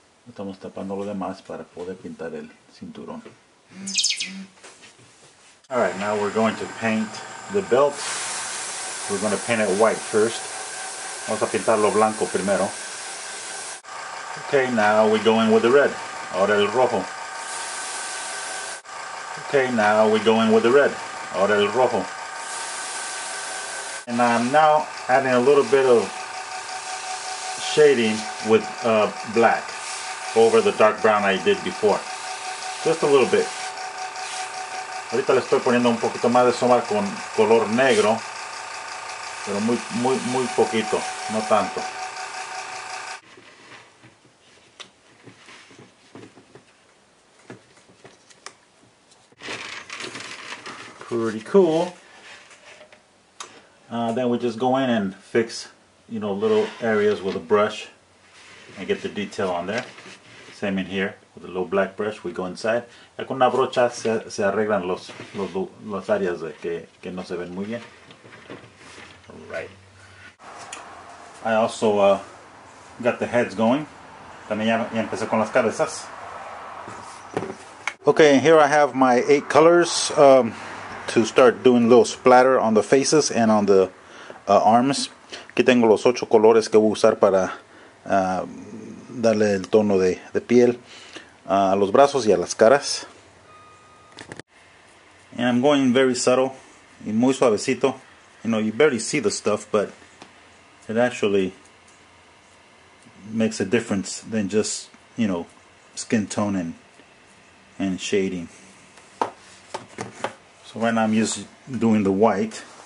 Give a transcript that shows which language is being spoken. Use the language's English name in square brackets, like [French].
[Spanish] Estamos tapando lo demás para poder pintar el cinturón. [English] All right, now we're going to paint the belt. We're going to paint it white first. [Spanish] Vamos a pintarlo blanco primero. [English] Okay, now we go in with the red. [Spanish] Ahora el rojo. [English] Okay, now we go in with the red. [Spanish] Ahora el rojo. [English] And I'm now adding a little bit of shading with black over the dark brown I did before. Just a little bit. [Spanish] Ahorita le estoy poniendo un poquito más de sombra con color negro, pero muy poquito, no tanto. [English] pretty cool. Then we just go in and fix, you know, little areas with a brush and get the detail on there. Same in here with a little black brush. We go inside. [Spanish] Con una brocha se arreglan los áreas que no se ven muy bien. [English] Right. I also got the heads going. [Spanish] También ya empecé con las cabezas. [English] Okay, and here I have my 8 colors to start doing a little splatter on the faces and on the arms. [Spanish] Aquí tengo los 8 colores que voy a usar para darle el tono de piel a los brazos y a las caras. [English] And I'm going very subtle [Spanish] y muy suavecito. [English] You know, you barely see the stuff, but it actually makes a difference than just, you know, skin tone and shading. So right now I'm just doing the white.